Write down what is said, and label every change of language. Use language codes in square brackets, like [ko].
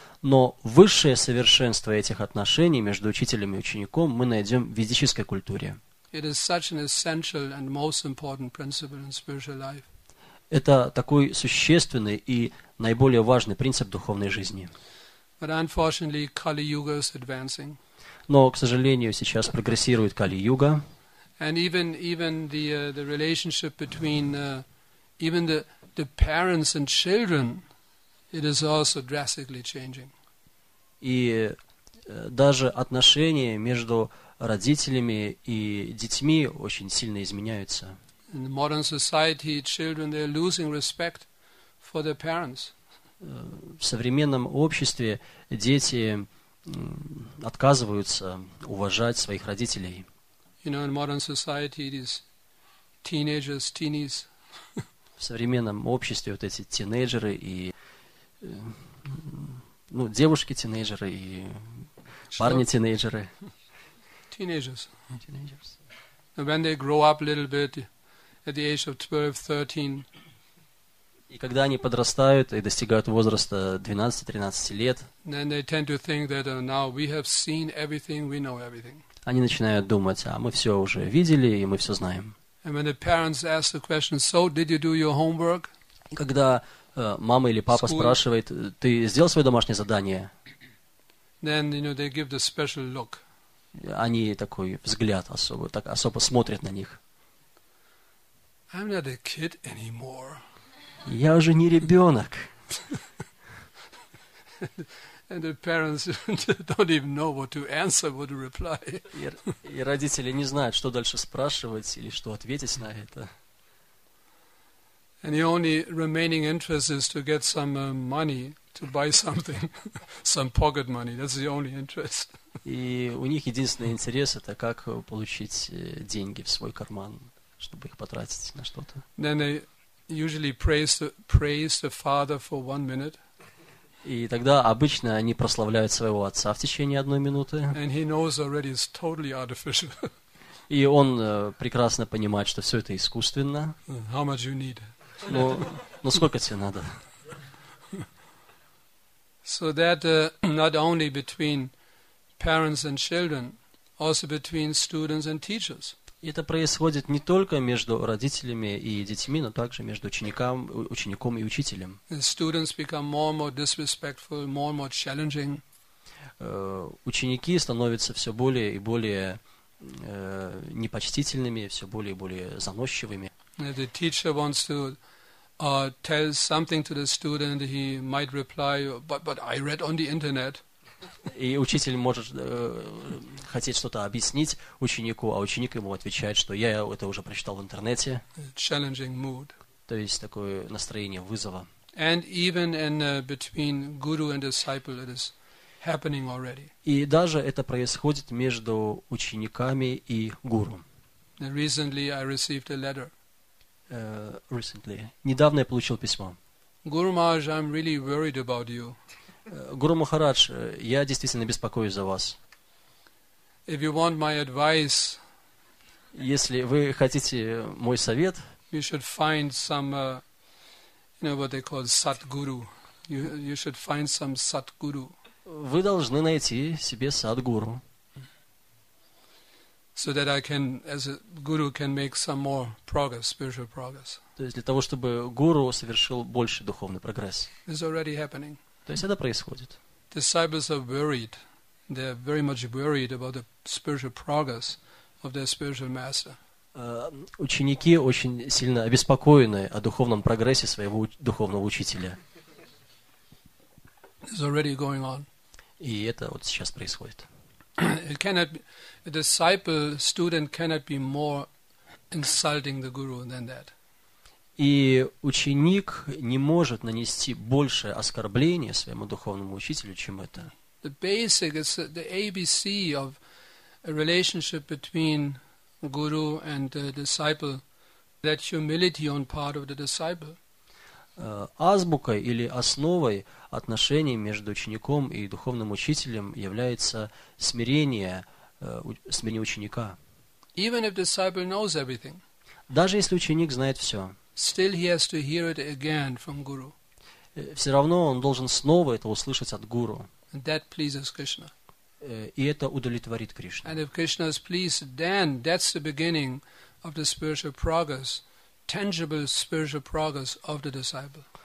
[ru] Но высшее совершенство этих отношений между учителем и учеником мы найдем в ведической культуре. [en] It is such an essential and most important principle in spiritual life. [ru] Это такой существенный и наиболее важный принцип духовной жизни. [en] But unfortunately, Kali Yuga is advancing. [ru] Но, к сожалению, сейчас прогрессирует Кали-Юга. [en] And even the relationship between the parents and children, it is also drastically changing. [ru] И даже отношения между родителями и детьми очень сильно изменяются. [en] In the modern society, children, they are losing respect for their parents. [ru] В современном обществе дети отказываются уважать своих родителей. [en] You know, in modern society, these teenagers, teenies, [ru] в современном обществе вот эти тинейджеры и ну, девушки-тинейджеры и парни-тинейджеры. [en] Teenagers. And when they grow up a little bit at the age of 12-13. [ru] И когда они подрастают и достигают возраста 12-13 лет, [en] then they tend to think that now we have seen everything, we know everything. [ru] Они начинают думать, а мы все уже видели и мы все знаем. [en] And when the parents ask the question, so did you do your homework? [ru] Когда мама или папа спрашивает, ты сделал свое домашнее задание? [en] Then, you know, they give the special look. [ru] Они такой взгляд особо, так особо смотрят на них. [en] I'm not a kid anymore. [ru] Я уже не ребенок. [en] And the parents don't even know what to answer, what to reply. [ru] И родители не знают, что дальше спрашивать или что ответить на это. [en] And the only remaining interest is to get some money to buy something, some pocket money. That's the only interest. [ru] И у них единственный интерес это как получить деньги в свой карман, чтобы их потратить на что-то. [en] Then they usually praise the father for 1 minute. [ru] И тогда обычно они прославляют своего отца в течение 1 минуты. [en] And he knows already it's totally artificial. [ru] И он прекрасно понимает, что все это искусственно. [en] How much you need? [ru] Но сколько тебе надо? [en] So that not only between parents and children, also between students and teachers. [ru] И это происходит не только между родителями и детьми, но также между учеником и учителем. [en] Students become more and more disrespectful, more and more challenging. [ru] Ученики становятся все более и более непочтительными, все более и более заносчивыми. [en] The teacher wants to tell something to the student, he might reply, but I read on the internet. [ru] И учитель может хотеть что-то объяснить ученику, а ученик ему отвечает, что я это уже прочитал в интернете. [en] Challenging mood. [ru] То есть такое настроение вызова. [en] And even in between guru and disciple, it is happening already. [ru] И даже это происходит между учениками и гуру. [en] Recently, I received a letter. Recently. [ru] Недавно я получил письмо. [en] Guru Maharaj, I'm really worried about you. [ru] Гуру Махарадж, я действительно беспокоюсь за вас. [en] If you want my advice, [ru] если вы хотите мой совет, [en] you should find some, you know what they call satguru. You should find some satguru. [ru] Вы должны найти себе садгуру. [en] So that I can, as a guru, can make some more progress, spiritual progress. [ru] То есть для того, чтобы гуру совершил больше духовный прогресс. [en] It's already happening. [ru] То есть это происходит. [en] Disciples are worried. They are very much worried about the spiritual progress of their spiritual master. [ru] Ученики очень сильно обеспокоены о духовном прогрессе своего духовного учителя. [en] It's already going on. [ru] И это вот сейчас происходит. [en] It cannot be, a disciple, student cannot be more insulting the guru than that. [ru] И ученик не может нанести больше оскорбления своему духовному учителю, чем это. [en] The basic is the ABC of a relationship between guru and the disciple, that humility on part of the disciple. [ru] Азбукой или основой отношений между учеником и духовным учителем является смирение ученика. [en] Even if disciple knows everything. [ru] Даже если ученик знает все. [en] Still he has to hear it again from guru. [ru] Все равно он должен снова это услышать от гуру. [en] And that pleases Krishna. [ru] И это удовлетворит Кришну. [en] And if Krishna is pleased, then that's the beginning of the spiritual progress, tangible spiritual progress of the disciple.